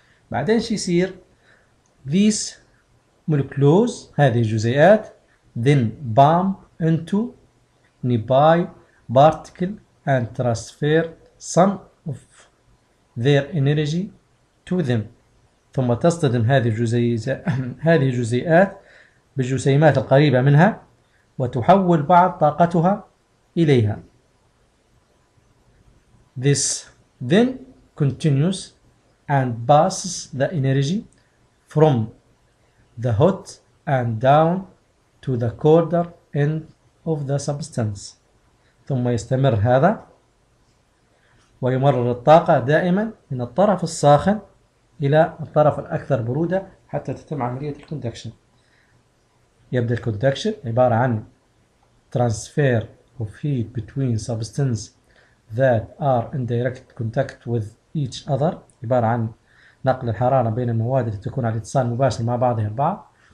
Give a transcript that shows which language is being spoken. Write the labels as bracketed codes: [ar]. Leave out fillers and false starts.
[ar] بعدين شو يصير؟ [en] these molecules، [ar] هذه الجزيئات، [en] then bump into nearby particle and transfer some of their energy to them. [ar] ثم تصطدم هذه الجزيئات بالجسيمات القريبة منها وتحول بعض طاقتها إليها. [en] This then continues and passes the energy from the hot and down to the colder end of the substance. [ar] ثم يستمر هذا ويمرر الطاقة دائما من الطرف الساخن إلى الطرف الأكثر برودة حتى تتم عملية الكوندكشن. يبدأ الكوندكشن عبارة عن [en] transfer of heat between substances that are in direct contact with each other، [ar] عبارة عن نقل الحرارة بين المواد التي تكون على اتصال مباشر مع بعضها البعض.